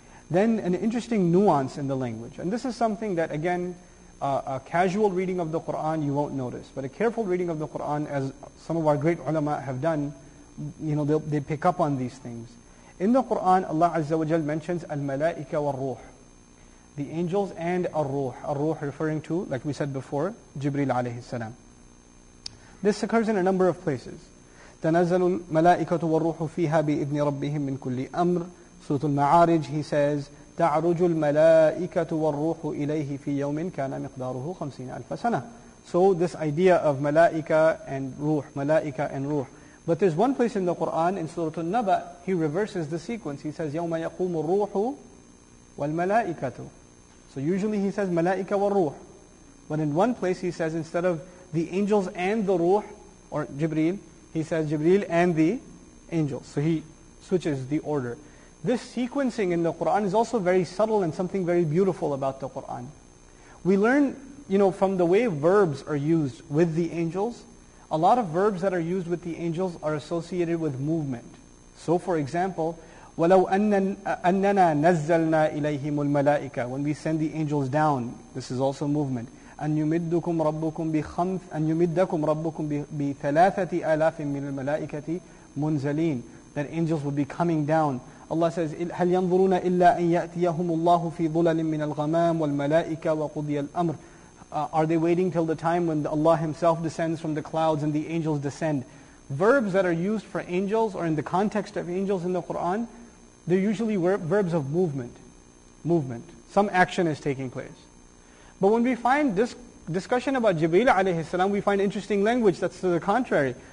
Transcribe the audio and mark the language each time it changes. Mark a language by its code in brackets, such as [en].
[en] Then an interesting nuance in the language, and this is something that again, a casual reading of the Qur'an you won't notice, but a careful reading of the Qur'an, as some of our great ulama have done, you know, they pick up on these things. In the Qur'an, Allah Azza wa Jal mentions al-malaika wal-ruh, the angels and al-ruh. Al-ruh referring to, like we said before, Jibreel alayhi salam. This occurs in a number of places. [ar] تَنَزَّلُ الْمَلَائِكَةُ وَالْرُوحُ فِيهَا بِإِذْنِ رَبِّهِمْ مِنْ كُلِّ أَمْرِ [en] Surah Al-Ma'arij, he says, [ar] تَعْرُجُ الْمَلَائِكَةُ وَالْرُوحُ إِلَيْهِ فِي يَوْمٍ كَانَ مِقْدَارُهُ 50,000 سَنَةٍ. [en] So this idea of malaika and ruh, malaika and ruh. But there's one place in the Qur'an, in Surah An-Naba, he reverses the sequence. He says, [ar] يَوْمَ يَقُومُ الْرُوحُ وَالْمَلَائِكَةُ. [en] So usually he says malaika wal-ruh. But in one place he says, instead of the angels and the ruh, or Jibreel, he says Jibreel and the angels. So he switches the order. This sequencing in the Qur'an is also very subtle and something very beautiful about the Qur'an. We learn, you know, from the way verbs are used with the angels, a lot of verbs that are used with the angels are associated with movement. So for example, [ar] وَلَوْ أَنَّنَا نَزَّلْنَا إِلَيْهِمُ الْمَلَائِكَ. [en] When we send the angels down, this is also movement. [ar] أَنْ يُمِدَّكُمْ رَبُّكُمْ بِثَلَاثَةِ آلَافٍ مِنَ الْمَلَائِكَةِ مُنْزَلِينَ. [en] That angels would be coming down. Allah says, [ar] هَلْ يَنظُرُونَ إِلَّا أَن يَأْتِيَهُمُ اللَّهُ فِي ظُلَلٍ مِّنَ الْغَمَامِ وَالْمَلَائِكَ وَقُضِيَ الْأَمْرِ. [en] Are they waiting till the time when Allah Himself descends from the clouds and the angels descend? Verbs that are used for angels or in the context of angels in the Qur'an, they're usually verbs of movement. Movement. Some action is taking place. But when we find this discussion about Jibreel alayhi salam, we find interesting language that's to the contrary.